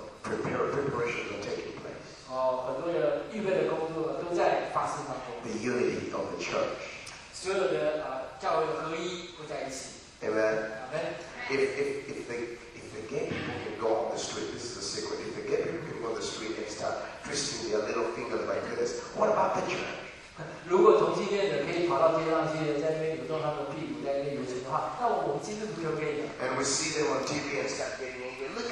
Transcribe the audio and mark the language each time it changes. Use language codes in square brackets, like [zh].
[en] Preparations are taking place. The unity of the church. Amen. If the gay people can go on the street, this is a secret. If the gay people can go on the street and start twisting their little fingers like this, what about the church? [zh] 如果同性恋者可以跑到街上去，在那边扭动他们的屁股，在那边游行的话，那我们基督徒就可以了。 [en] And we see them on TV and start getting angry.